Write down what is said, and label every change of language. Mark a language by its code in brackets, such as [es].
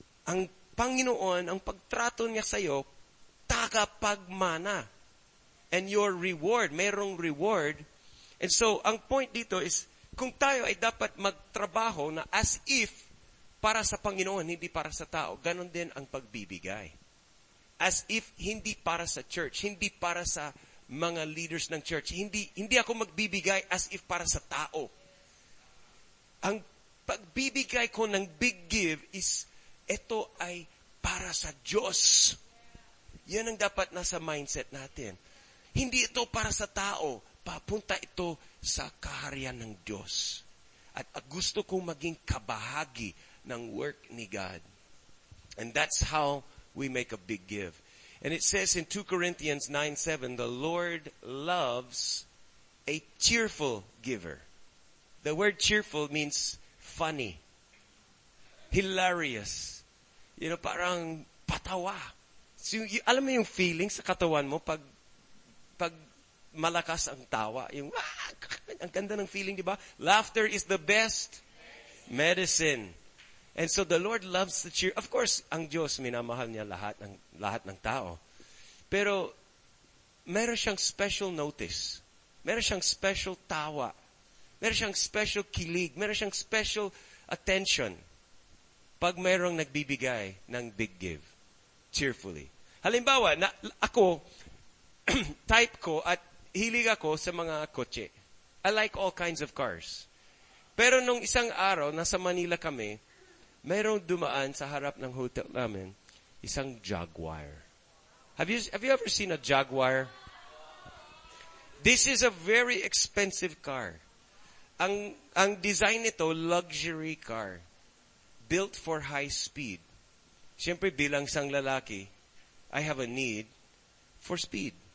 [tl] Ang Panginoon, ang pagtrato niya sa'yo, tagapagmana. [en] And your reward, [tl] mayroong reward. And so, ang point dito is, kung tayo ay dapat magtrabaho na as if para sa Panginoon, hindi para sa tao, ganun din ang pagbibigay. As if hindi para sa church, hindi para sa mga leaders ng church, hindi ako magbibigay as if para sa tao. Ang pagbibigay ko ng big give is, ito ay para sa Diyos. Yan ang dapat nasa mindset natin. Hindi ito para sa tao. Papunta ito sa kaharian ng Diyos. At gusto kong maging kabahagi ng work ni God. [en] And that's how we make a big give. And it says in 2 Corinthians 9:7, the Lord loves a cheerful giver. The word cheerful means funny, hilarious. You know, [tl] parang patawa. So, alam mo yung feeling sa katawan mo pag malakas ang tawa. Yung, ang ganda ng feeling, di ba? [en] Laughter is the best medicine. And so the Lord loves the cheer. [tl] Of course, ang Diyos, minamahal niya lahat ng tao. Pero, meron siyang special notice. Meron siyang special tawa. Meron siyang special kilig. Meron siyang special attention pag mayroong nagbibigay ng big give, cheerfully. Halimbawa, ako, type ko at hilig ako sa mga kotse. [en] I like all kinds of cars. [tl] Pero nung isang araw, nasa Manila kami, mayroong dumaan sa harap ng hotel namin, isang Jaguar. [en] Have you ever seen a Jaguar? This is a very expensive car. [tl] Ang design nito, [en] luxury car. Built for high speed. [tl] Siyempre, bilang isang lalaki, [en] I have a need for speed.